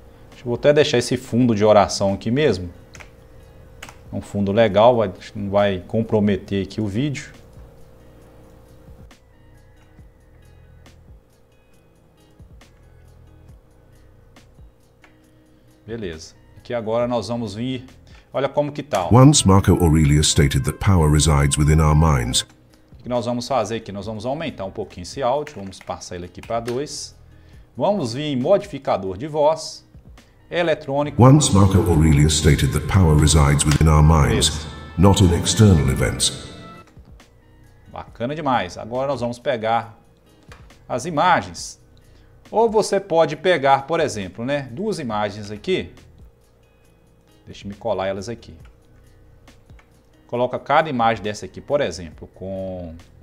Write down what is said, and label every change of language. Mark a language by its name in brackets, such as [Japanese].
[Portuguese] Deixa eu até deixar esse fundo de oração aqui mesmo. É um fundo legal, não vai comprometer aqui o vídeo. Beleza. Aqui agora nós vamos vir. Olha como que tá. [English] Once Marco Aurelius stated that power resides within our minds. [Portuguese] O que nós vamos fazer aqui? Nós vamos aumentar um pouquinho esse áudio. Vamos passar ele aqui para 2. Vamos vir em modificador de voz. Eletrônico. [English] Once Marco Aurelius stated that power resides within our minds, not in external events. [Portuguese] Bacana demais. Agora nós vamos pegar as imagens. Ou você pode pegar, por exemplo, né, duas imagens aqui. Deixe-me colar elas aqui. Coloca cada imagem dessa aqui, por exemplo, com...